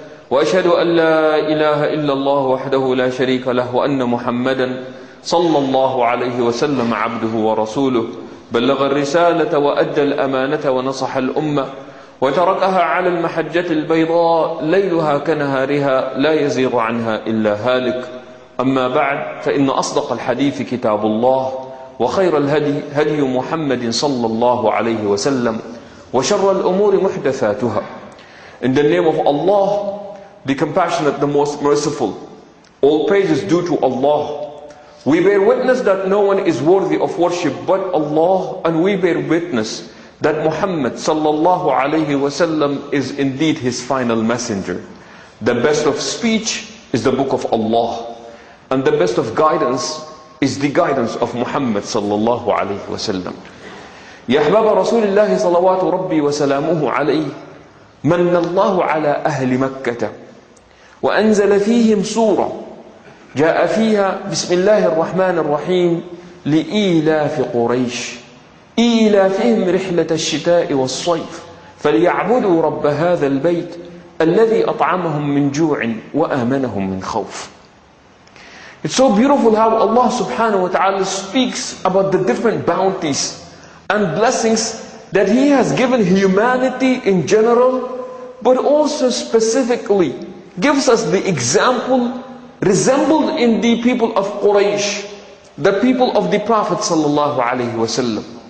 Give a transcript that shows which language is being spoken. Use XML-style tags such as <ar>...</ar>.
<ar>وأشهد أن لا إله إلا الله وحده لا شريك له وأن محمدا صلى الله عليه وسلم عبده ورسوله بلغ الرسالة وأدى الأمانة ونصح الأمة وتركها على المحجة البيضاء ليلها كنهارها لا يزيغ عنها إلا هالك أما بعد فإن أصدق الحديث كتاب الله وخير الهدي هدي محمد صلى الله عليه وسلم وشر الأمور محدثاتها.</ar> <en>In the name of Allah, the compassionate, the most merciful, all praise is due to Allah. We bear witness that no one is worthy of worship but Allah, and we bear witness that Muhammad sallallahu alayhi wasallam is indeed his final messenger. The best of speech is the book of Allah, and the best of guidance is the guidance of Muhammad sallallahu alayhi wasallam.</en> <ar>يا أحباب رسول الله صلوات ربي وسلامه عليه من الله على أهل مكة وأنزل فيهم سورة جاء فيها بسم الله الرحمن الرحيم لإيلاف قريش إيلافهم رحلة الشتاء والصيف فليعبدوا رب هذا البيت الذي أطعمهم من جوع وآمنهم من خوف.</ar> <en>It's so beautiful how Allah subhanahu wa ta'ala speaks about the different bounties and blessings that he has given humanity in general, but also specifically gives us the example resembled in the people of Quraysh, the people of the Prophet sallallahu alaihi wasallam.</en>